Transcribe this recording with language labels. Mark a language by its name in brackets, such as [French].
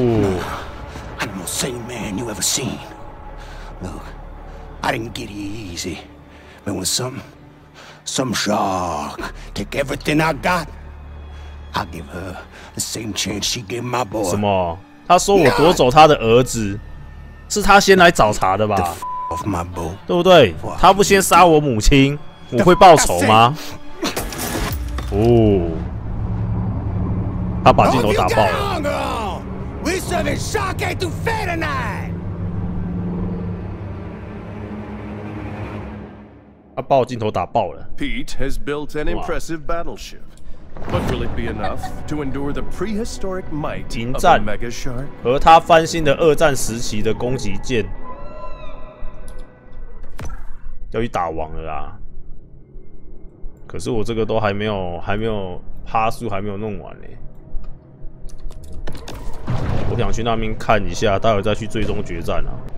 [English] Ooh. I'm the most sane man you ever seen. Look, I didn't get here easy. But when some shark take everything I got, I give her the same chance she gave my boy. [Chinese] 什么？他说我夺走他的儿子，是他先来找茬的吧？ [English] The f- of my boy. [Chinese] 对不对？他不先杀我母亲。我会报仇吗？哦，他把镜头打爆了。他把我镜头打爆了。 [English] Pete has built an impressive battleship, but will it be enough to endure the prehistoric might of a mega shark? [Chinese] 和他翻新的二战时期的攻击舰，要去打王了啦。可是我这个都还没有趴树，还没有弄完嘞。我想去那边看一下，待会再去最终决战啊。